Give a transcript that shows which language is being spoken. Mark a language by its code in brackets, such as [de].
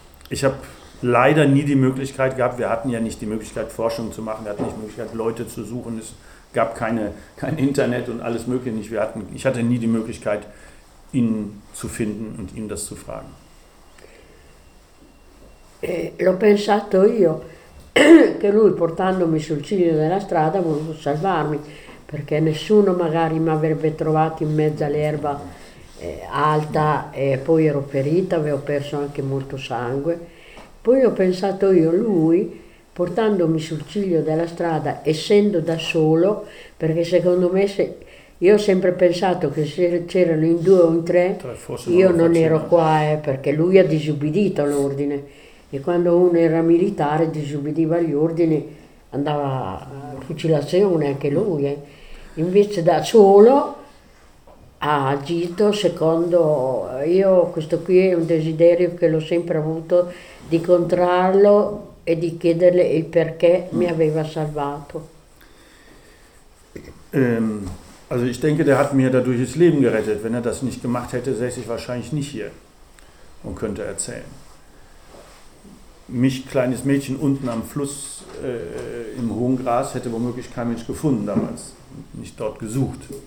[de] Ich habe leider nie die Möglichkeit gehabt, wir hatten ja nicht die Möglichkeit, Forschung zu machen, wir hatten nicht die Möglichkeit, Leute zu suchen, es gab kein Internet und alles Mögliche nicht. Ich hatte nie die Möglichkeit, ihn zu finden und ihm das zu fragen. [it] L'ho pensato io che lui portandomi sul ciglio della strada voleva salvarmi perché nessuno magari mi avrebbe trovato in mezzo all'erba alta e poi ero ferita, avevo perso anche molto sangue. Poi ho pensato io, lui portandomi sul ciglio della strada essendo da solo, perché secondo me se io ho sempre pensato che se c'erano in due o in tre io non ero qua perché lui ha disubbidito l'ordine. E quando uno era militare disubbidiva gli ordini, andava a fucilazione anche lui. Invece da solo ha agito secondo... Io questo qui è un desiderio che l'ho sempre avuto di incontrarlo e di chiedergli il perché mi aveva salvato. [de] Also ich denke, der hat mir dadurch das Leben gerettet. Wenn er das nicht gemacht hätte, säße ich wahrscheinlich nicht hier und könnte erzählen. Mich, kleines Mädchen, unten am Fluss im hohen Gras, hätte womöglich kein Mensch gefunden damals, nicht dort gesucht.